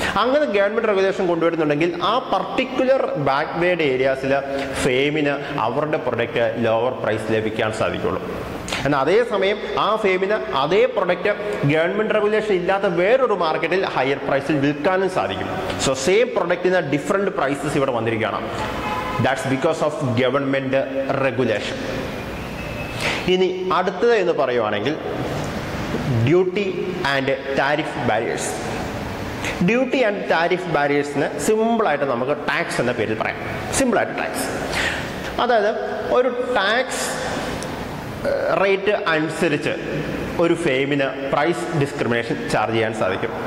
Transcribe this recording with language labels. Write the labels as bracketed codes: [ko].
[ml] അങ്ങനെ government regulation കൊണ്ടുവരുന്നുണ്ടെങ്കിൽ ആ particular backward ഏരിയാസിൽ ഫെയിമിന് അവരുടെ പ്രൊഡക്റ്റ് ലോവർ പ്രൈസ് ലഭിക്കാൻ സാധിക്കുള്ളൂ. എന്നാൽ അതേസമയം ആ ഫെയിമിന് അതേ പ്രൊഡക്റ്റ് ഗവൺമെൻറ് റെഗുലേഷൻ ഇല്ലാത്ത വേറൊരു മാർക്കറ്റിൽ ഹയർ പ്രൈസിൽ വിൽക്കാനും സാധിക്കും. സോ സെയിം പ്രൊഡക്റ്റിന് ഡിഫറെൻ്റ് പ്രൈസസ് ഇവിടെ വന്നിരിക്കുകയാണ്. [en] That's because of government regulation. [ml] ഇനി അടുത്തത് എന്ന് പറയുവാണെങ്കിൽ duty and tariff barriers. Duty and tariff ബാരിയേഴ്സിന് സിമ്പിളായിട്ട് നമുക്ക് ടാക്സ് എന്ന പേരിൽ പറയാം. സിമ്പിളായിട്ട് ടാക്സ്, അതായത് ഒരു ടാക്സ് റേറ്റ് അനുസരിച്ച് ഒരു ഫെയിമിന് പ്രൈസ് ഡിസ്ക്രിമിനേഷൻ ചാർജ് ചെയ്യാൻ സാധിക്കും.